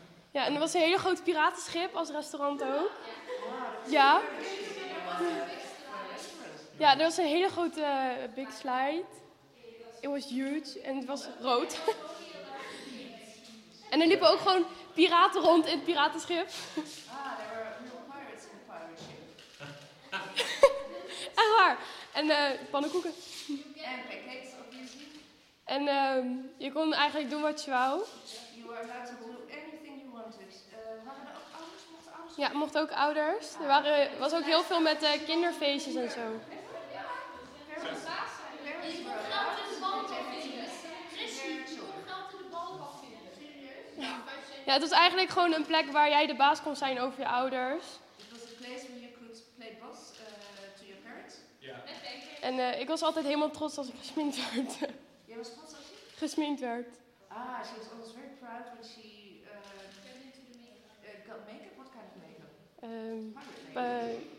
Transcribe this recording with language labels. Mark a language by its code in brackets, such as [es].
[nl] Ja, en er was een hele groot piratenschip als restaurant ook. Ja. Ja, er was een hele grote [en] big slide. It was huge [nl] en het was rood. En er liepen ook gewoon piraten rond in het piratenschip. [en] Ah, there were real pirates in the pirate ship. [nl] Echt waar. En pannenkoeken. [en] En pancakes, obviously. [nl] En je kon eigenlijk doen wat je wou. Ja, mocht ook ouders. Er waren, was ook heel veel met kinderfeestjes en zo. Ja, het was eigenlijk gewoon een plek waar jij de baas kon zijn over je ouders. En ik was altijd helemaal trots als ik gesminkt werd. Jij was trots als je? Gesminkt werd. [en] Ah, she was always very proud when she got makeup.